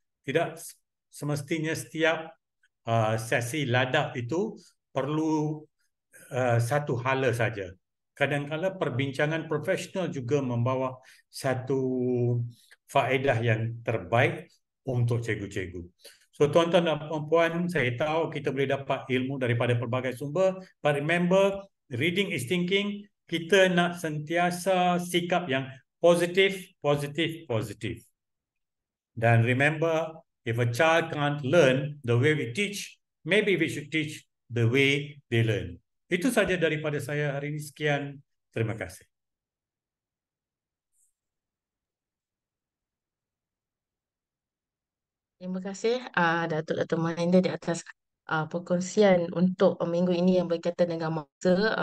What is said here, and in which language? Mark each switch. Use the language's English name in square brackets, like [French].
[Malay] Tidak semestinya setiap sesi ladap itu perlu satu hala saja. Kadangkala perbincangan profesional juga membawa satu faedah yang terbaik untuk cikgu-cikgu. So, tuan-tuan dan puan-puan, saya tahu kita boleh dapat ilmu daripada pelbagai sumber. [English] But remember, reading is thinking. [Malay] Kita nak sentiasa sikap yang positif, positif, positif. [English] Dan remember, if a child can't learn the way we teach, maybe we should teach the way they learn. [Malay] Itu saja daripada saya hari ini. Sekian. Terima kasih. Terima kasih Datuk-Datuk Melinda di atas perkongsian untuk minggu ini yang berkaitan dengan masa.